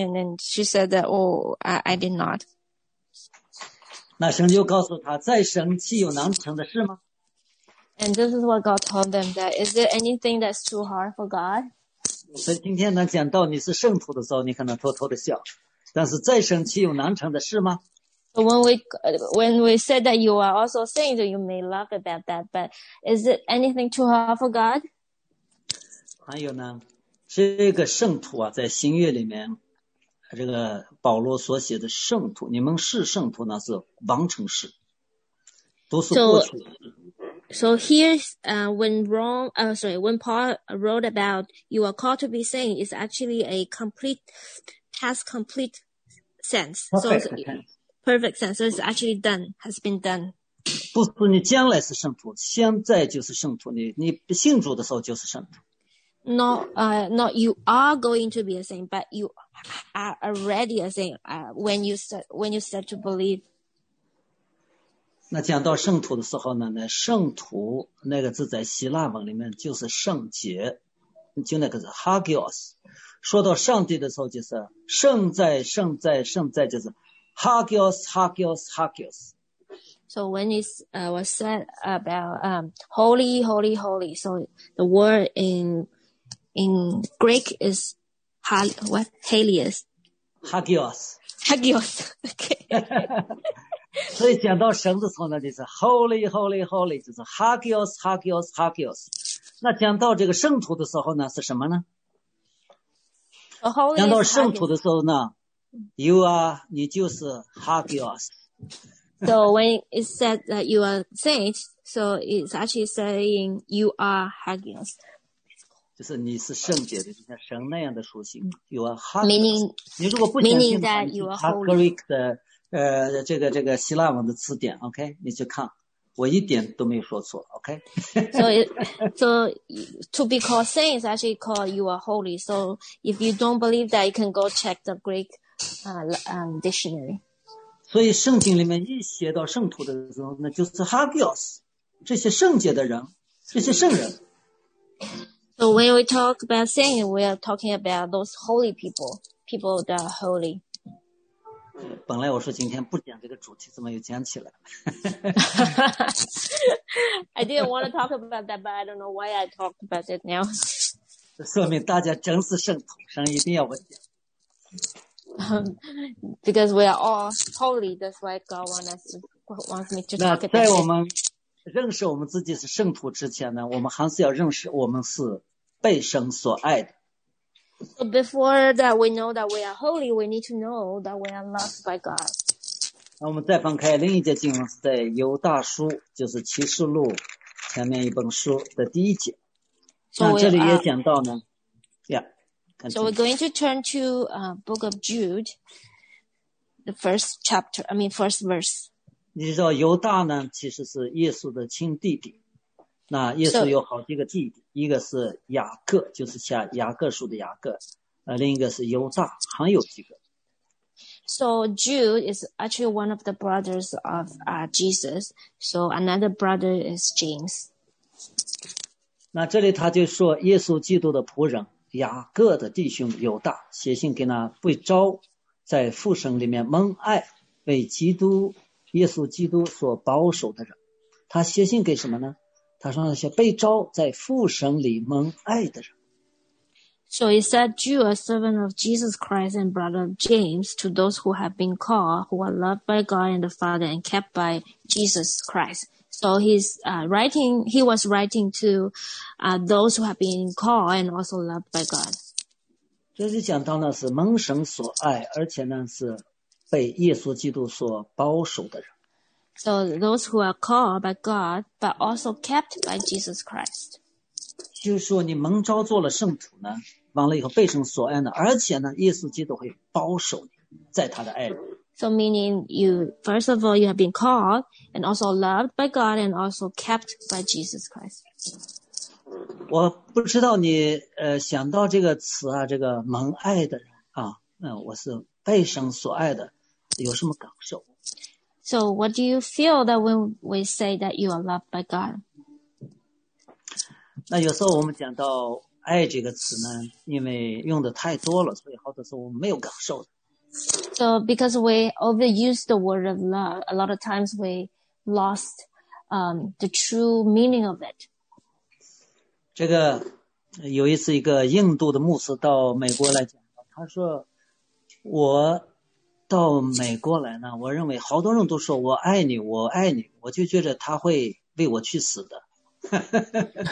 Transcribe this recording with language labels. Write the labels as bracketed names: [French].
[English] And then she said that, I did not. [Chinese] 那神就告诉他再生气有难成的事吗 [English] And this is what God told them, that is there anything that's too hard for God? [Chinese] 所以今天呢讲到你是圣徒的时候你可能偷偷的笑但是再生气有难成的事吗 [English] When we said that you are also saints, you may laugh about that, but is it anything too hard for God? [Chinese] 还有呢，这个圣徒啊，在新约里面，这个保罗所写的圣徒，你们是圣徒呢，是完成式，都是过去的。 [English] So here, when Paul wrote about you are called to be saints, it's actually a complete past complete sense. Perfect sense. So it's actually done. Has been done. [Chinese] 不是你将来是圣徒，现在就是圣徒。你不信主的时候就是圣徒。 [English] Not you are going to be a saint, but you are already a saint. When you start to believe. [Chinese] 那讲到圣徒的时候呢？那圣徒那个字在希腊文里面就是圣洁，就那个字 hagios。说到上帝的时候，就是圣在，圣在，圣在，就是。 [Greek] Hagios, Hagios, Hagios. [English] So when it was said about holy, holy, holy, so the word in Greek is Halios. [Greek] Hagios. Hagios. Okay. [Chinese] 所以讲到神的时候呢，就是 [English] holy, holy, holy, [Chinese] 就是 Hagios, Hagios, Hagios. 那讲到这个圣徒的时候呢，是什么呢？ [English] So holy [Chinese] 讲到圣徒的时候呢。 [English] You are, [Chinese] 你就是 Hagios. [English] So when it said that you are saints, so it's actually saying you are Hagios. [Chinese] 就是你是圣洁的，就像神那样的属性。 [English] You are Hagios. Meaning, [Chinese] 你如果不相信的话，你查 Greek 的这个希腊文的词典 ，OK， 你去看，我一点都没有说错 ，OK. [English] So to be called saints actually called you are holy. So if you don't believe that, you can go check the Greek. Dictionary. [Chinese] 所以圣经里面一写到圣徒的时候，那就是 Hagios， 这些圣洁的人，这些圣人。 [English] So when we talk about saints, we are talking about those holy people, people that are holy. [Chinese] 本来我说今天不讲这个主题，怎么又讲起来 [English] ？I didn't want to talk about that, but I don't know why I talked about it now. [Chinese] 这说明大家真是圣徒，神一定要我讲。 [English] Because we are all holy, that's why God wants me to talk about it. [Chinese] 那在我们认识我们自己是圣徒之前呢，我们还是要认识我们是被神所爱的。 [English] So before that, we know that we are holy. We need to know that we are loved by God. [Chinese] 那我们再翻开另一节经文，在犹大书，就是启示录前面一本书的第一节。 [English] So、 [Chinese] 那这里也讲到呢。 [English] So we're going to turn to Book of Jude, the first chapter. First verse. [Chinese] 你知道犹大呢，其实是耶稣的亲弟弟。那耶稣有好几个弟弟，一个是雅各，就是下雅各书的雅各，另一个是犹大，还有几个。 [English] So Jude is actually one of the brothers of Jesus. So another brother is James. [Chinese] 那这里他就说耶稣基督的仆人雅各的弟兄犹大写信给那被召在父神里面蒙爱为基督耶稣基督所保守的人。他写信给什么呢？他说那些被召在父神里蒙爱的人。 [English] So he said, Jude, a servant of Jesus Christ and brother James, to those who have been called, who are loved by God and the Father and kept by Jesus Christ. So he's writing, he was writing to those who have been called and also loved by God. [Chinese] 这里讲到呢，是蒙神所爱，而且呢，是被耶稣基督所保守的人。 [English] So those who are called by God, but also kept by Jesus Christ. [Chinese] 就是说你蒙召做了圣徒呢，完了以后被神所爱呢，而且呢耶稣基督会保守你在他的爱里。 [English] So meaning you, first of all, you have been called and also loved by God and also kept by Jesus Christ. [Chinese] 我不知道你想到这个词啊，这个蒙爱的人啊，我是被神所爱的，有什么感受？ [English] So what do you feel that when we say that you are loved by God? [Chinese] 那有时候我们讲到爱这个词呢，因为用的太多了，所以好多时候我们没有感受的。 [English] So because we overuse the word of love, a lot of times we lost the true meaning of it. [Chinese] 这个有一次一个印度的牧师到美国来讲，他说我到美国来呢，我认为好多人都说我爱你，我爱你，我就觉得他会为我去死的。